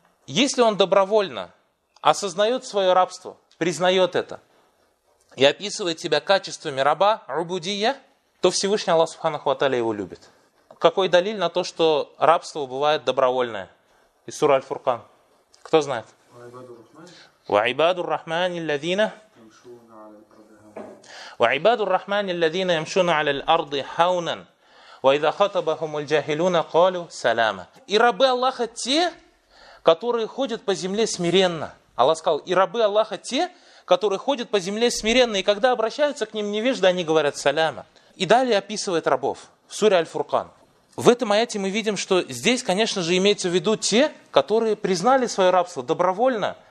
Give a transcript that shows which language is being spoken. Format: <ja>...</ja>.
<ru>Если он добровольно осознает свое рабство, признает это и описывает себя качествами раба, рубудия, то Всевышний Аллах субханаху ва тааля его любит. Какой далиль на то, что рабство бывает добровольное? Из суры Аль-Фуркан. Кто знает?</ru> <ar>وعباد الرحمن الذين وعباد الرحمن الذين يمشون على الأرض هونا وإذا خطبهم الجاهلون قالوا سلاما.</ar> <ru>И рабы Аллаха те, которые ходят по земле смиренно. Аллах сказал: и рабы Аллаха те, которые ходят по земле смиренно. И когда обращаются к ним невежды, они говорят саляма. И далее описывает рабов в суре Аль-Фуркан. В этом аяте мы видим, что здесь, конечно же, имеется в виду те, которые признали свое рабство добровольно.</ru>